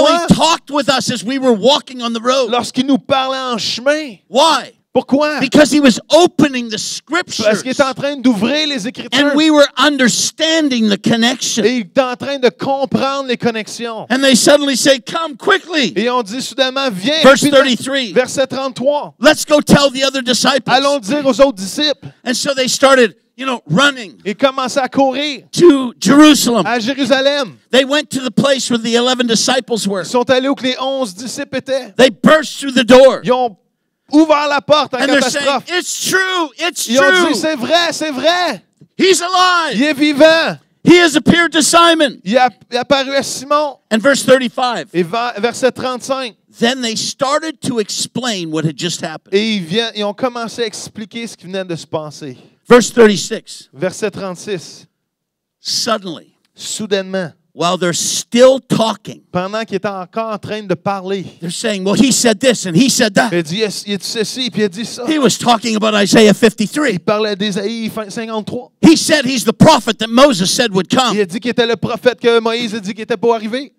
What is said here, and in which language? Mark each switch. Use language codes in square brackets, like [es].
[en] While he talked with us as we were walking on the road. [fr] Lorsqu'il nous parlait en chemin. [en] Why? [fr] Pourquoi? [en] Because he was opening the scriptures. [fr] Parce qu'il était en train d'ouvrir les écritures. [en] And we were understanding the connection. [fr] Et il était en train de comprendre les connexions. [en] And they suddenly say, "Come quickly." [fr] Et on dit soudainement, viens. [en] Verse 33. [fr] Verset 33. [en] Let's go tell the other disciples. [fr] Allons dire aux autres disciples. [en] And so they started, you know, running. [fr] Ils commençaient à courir. [en] To Jerusalem. [fr] À Jérusalem. [en] They went to the place where the 11 disciples were. [fr] Ils sont allés où que les 11 disciples étaient. [en] They burst through the door. [fr] Ils ont ouvert la porte en catastrophe. [en] Saying, it's true, it's [fr] true. Ils ont dit, c'est vrai, c'est vrai. [en] He's alive. [fr] Il est vivant. [en] He has appeared to Simon. [fr] Il a apparu à Simon. [en] And verse 35. [fr] Et verset 35. [en] Then they started to explain what had just happened. [fr] Et ils ont commencé à expliquer ce qui venait de se passer. [en] Verse 36. [fr] Verset 36. [en] Suddenly. [fr] Soudainement. [en] While they're still talking. [fr] Pendant qu'ils étaient encore en train de parler. [en] They're saying, well, he said this and he said that. [fr] Il dit, yes, il dit ceci, puis il dit ça. [en] He was talking about Isaiah 53. [fr] Il parlait d'Isaïe 53. [en] He said he's the prophet that Moses said would come. [fr] Il a dit qu'il était le prophète que Moïse a dit qu'il était pour arriver.